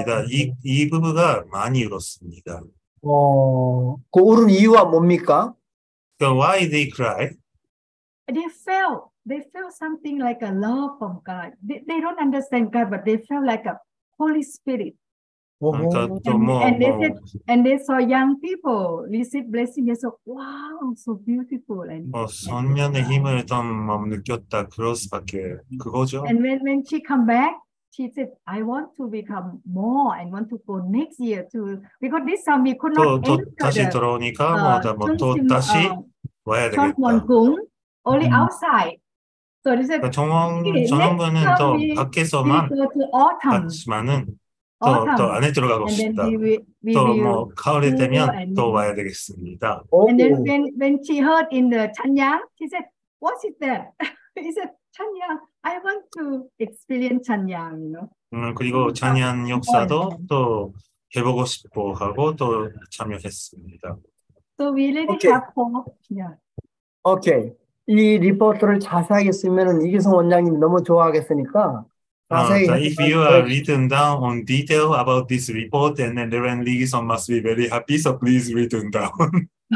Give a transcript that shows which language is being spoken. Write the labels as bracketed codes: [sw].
[ko] 이 부부가 많이 울었습니다. 어, 그 울은 이유가 뭡니까? [en] So why they cry? They felt something like a love from God. They don't understand God, but they felt like a Holy Spirit. And they saw young people receive blessing. They said, "Wow, so beautiful!" And [ko] 어, 성령의 힘을 좀 느꼈다. 그것밖에 그거죠. [en] And when she come back, she said, "I want to become more. I want to go next year to because this time we could not [ko] 또, 또 [en] enter." [ko] 또 다시 들어오니까 뭐또 다시 와야 되겠다. [en] Only outside. So they said, [ko] 정원군은 또 밖에서만 같지만은. 또 안에 들어가고 싶다. 또뭐 가을이 되면 또 와야 되겠습니다. [en] And then when she heard in the 찬양, she said, "What is that?" He said, "찬양. I want to experience 찬양." You know. 그리고 찬양 역사도 또 해보고 싶고 하고 또 참여했습니다. So we really have hope. Yeah. Okay. [ko] 이 리포트를 자세하게 쓰면은 이기성 원장님 너무 좋아하겠으니까. [en] If you are written down on detail about this report, and then the Reverend Lee Gi-sung must be very happy, so please written down.